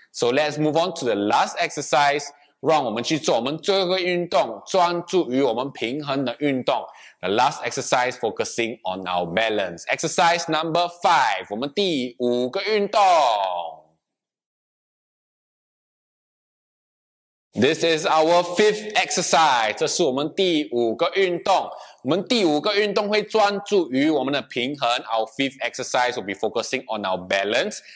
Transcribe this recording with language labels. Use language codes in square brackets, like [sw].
[en] So let's move on to the last exercise. [zh] 让我们去做我们最后一个运动，专注于我们平衡的运动。 [en] The last exercise focusing on our balance. Exercise number five, [zh] 我们第五个运动。 [en] This is our fifth exercise, [zh] 这是我们第五个运动。我们第五个运动会专注于我们的平衡。 [en] Our fifth exercise will be focusing on our balance.